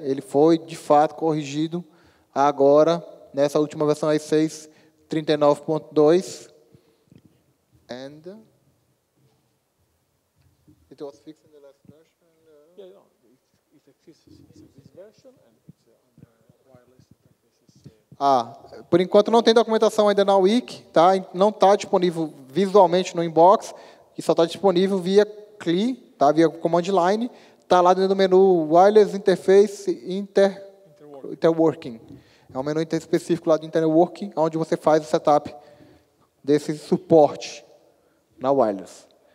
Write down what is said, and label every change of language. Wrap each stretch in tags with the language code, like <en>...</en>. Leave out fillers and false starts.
<pt>Ele foi de fato corrigido agora nessa última versão, aí 6.39.2.</pt> <en>And it was fixed in the last version. It exists in this version and it's on the wireless interfaces.</en> <pt>Por enquanto não tem documentação ainda na Wiki, tá? Não está disponível visualmente no inbox, e só está disponível via CLI, tá? Via command line. Está lá dentro do menu Wireless Interface Interworking. É um menu específico lá do Interworking, onde você faz o setup desse suporte na wireless.</pt>